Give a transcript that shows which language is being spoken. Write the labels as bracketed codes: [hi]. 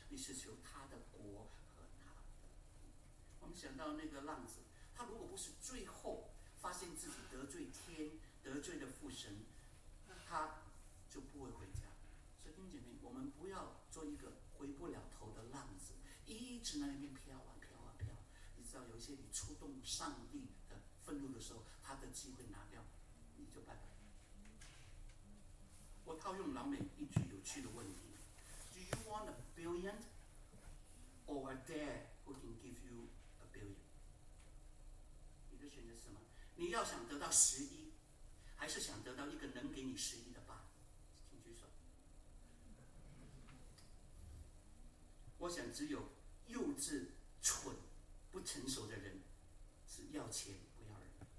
[zh] 你是求他的国和他的。我们想到那个浪子，他如果不是最后发现自己得罪天、得罪了父神，他就不会回家。所以弟兄姐妹，我们不要做一个回不了头的浪子，一直在那边飘啊飘啊飘。你知道有些你触动上帝的愤怒的时候，他的机会拿掉，你就拜拜。我套用老美一句有趣的问题， [en] Do you want a billion or a dad who can give you a billion? [zh] 你的选择是什么？你要想得到十一，还是想得到一个能给你十一的爸？请举手。我想只有幼稚、蠢、不成熟的人是要钱不要人。